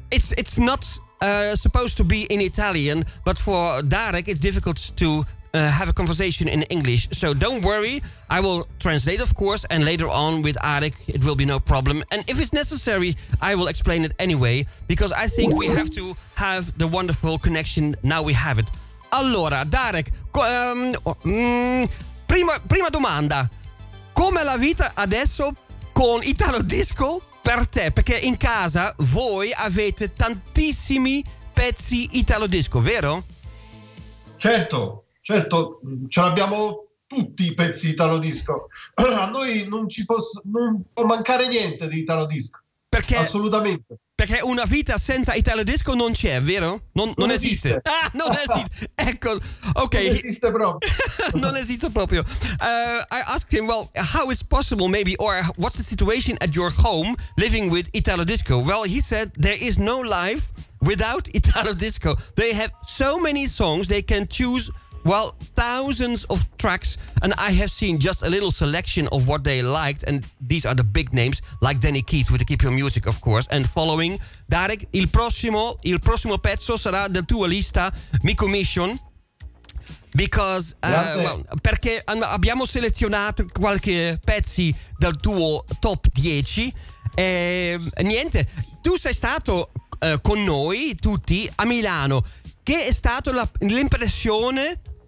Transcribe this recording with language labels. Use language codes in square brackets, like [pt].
[en] It's not supposed to be in Italian, but for Darek it's difficult to have a conversation in English. So don't worry, I will translate, of course, and later on with Arik it will be no problem. And if it's necessary, I will explain it anyway, because I think we have to have the wonderful connection now we have it. [it] Allora, Darek, prima domanda. Come la vita adesso con Italo Disco per te? Perché in casa voi avete tantissimi pezzi Italo Disco, vero? Certo. Certo, ce l'abbiamo tutti i pezzi di Italo Disco. A noi non può mancare niente di Italo Disco. Perché? Assolutamente. Perché una vita senza Italo Disco non c'è, vero? Non esiste. Ah, non esiste. Ecco, ok. Non esiste proprio. Non esiste proprio. [en] I asked him, well, how is possible maybe, or what's the situation at your home living with Italo Disco? Well, he said there is no life without Italo Disco. They have so many songs they can choose. Well, thousands of tracks, and I have seen just a little selection of what they liked, and these are the big names, like Danny Keith with the Keep Your Music, of course, and following. [it] Darek, il prossimo pezzo sarà del tuo lista, Mi Commission, [en] because, well, [it] perché abbiamo selezionato qualche pezzi del tuo top 10, e niente, tu sei stato con noi tutti a Milano, che è stata l'impressione?